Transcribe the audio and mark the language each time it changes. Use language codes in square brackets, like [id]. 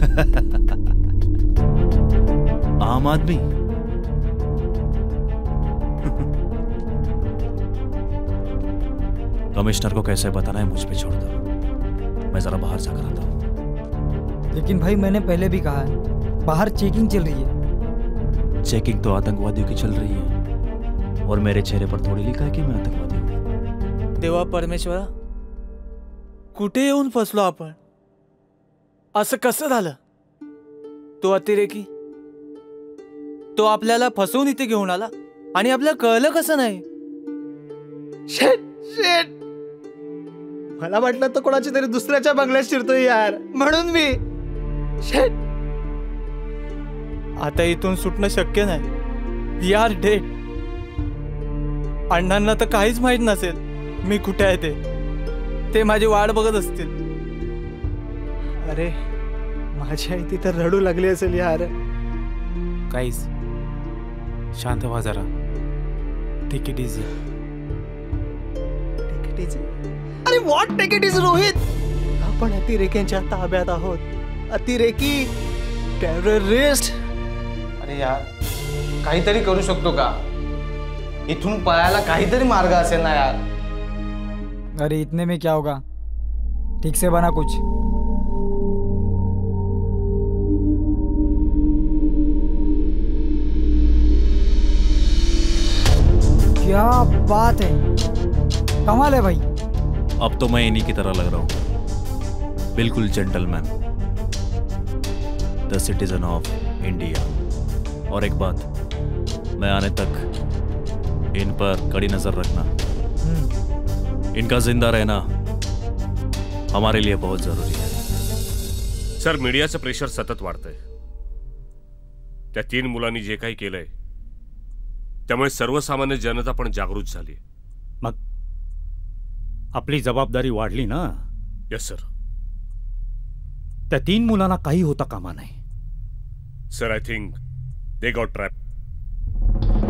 [hi] आम आदमी कमिश्नर को कैसे बताना है, मुझ पे छोड़ दो, मैं जरा बाहर जाकर आता हूं। लेकिन भाई, मैंने पहले भी कहा है, बाहर चेकिंग चल रही है। चेकिंग तो आतंकवादियों की चल रही है, और मेरे चेहरे पर थोड़ी लिखा है कि मैं आतंकवादी हूं। [mr] देवा परमेश्वरा, कुठे येऊन फसलो आपण? असं कसं झालं? तो अतिरेकी, तो आपल्याला फसवून इथे घेऊन आला, आणि आपल्याला कळलं कसं नाही? मला वाटलं तो कोणाच्या तरी दुसऱ्याच्या बंगल्यात शिरतोय यार, म्हणून मी आता इथून सुटणं शक्य नाही यार। डे अण्णांना तर काहीच माहीत नसेल मी कुठे आहे, ते माझी वाट बघत असतील। अरे, माझी आई तिथं रडू लागली असेल यार। काहीच, शांत व्हा जरा। [en] Take it easy, take it easy. [mr] अरे [en] what take it easy [mr] Rohit, आपण अतिरेक्यांच्या ताब्यात आहोत। अतिरेकी, टेररिस्ट। यार, काहीतरी करू शकतो का? इथून पळायला काहीतरी मार्ग असेल ना यार। [hi] अरे इतने में क्या होगा, ठीक से बना कुछ। क्या बात है, कमाल है भाई। अब तो मैं इन्हीं की तरह लग रहा हूं, बिल्कुल gentleman, [en] The citizen of India. [hi] और एक बात, मैं आने तक इन पर कड़ी नजर रखना। इनका जिंदा रहना हमारे लिए बहुत जरूरी है। [mr] सर, मीडिया से प्रेशर सतत वाढतंय। त्या तीन मुलांनी जे काही केलंय त्यामुळे सर्वसामान्य जनता पण जागरूक झाली। मग आपली जबाबदारी वाढली ना? [en] Yes sir. [mr] त्या तीन मुलांना काही होता कामा नाही sir. [en] I think They got trapped.